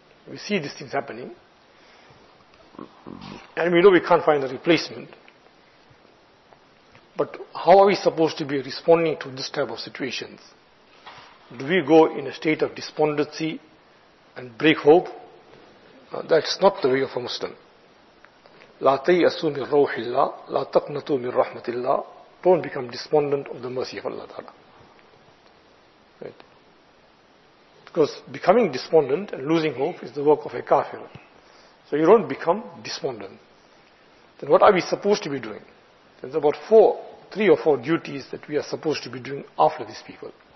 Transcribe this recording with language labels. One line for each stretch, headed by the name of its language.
English: We see these things happening, and we know we can't find a replacement. But how are we supposed to be responding to this type of situations? Do we go in a state of despondency and break hope? That's not the way of a Muslim.
Arabic: لا تيأسوا من روح الله لا تقنطوا من رحمة الله.
English: Don't become despondent of the mercy of Allah Ta'ala. Right. Because becoming despondent and losing hope is the work of a kafir. So you don't become despondent. Then what are we supposed to be doing? There's about three or four duties that we are supposed to be doing after these people.